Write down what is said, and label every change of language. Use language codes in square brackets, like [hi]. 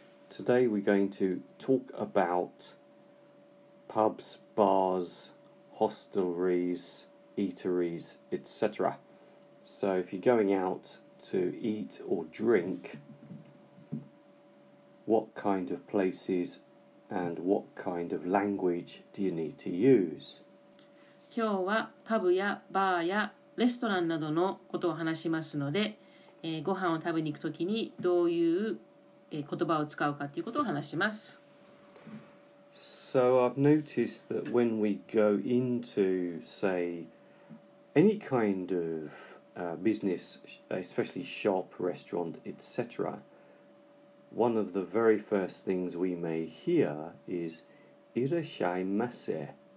[en] Today we're going to talk about pubs, bars, hostelries, eateries, etc. So if you're going out to eat or drink, what kind of places and what kind of language do you need to use? [ja] 今日はパブやバーやレストランなどのことを話しますので、ご飯を食べに行くときにどういう言葉を使うかということを話します。 [en] So I've noticed that when we go into, say, any kind of business, especially shop, restaurant, etc., one of the very first things we may hear is, いらっしゃいませ.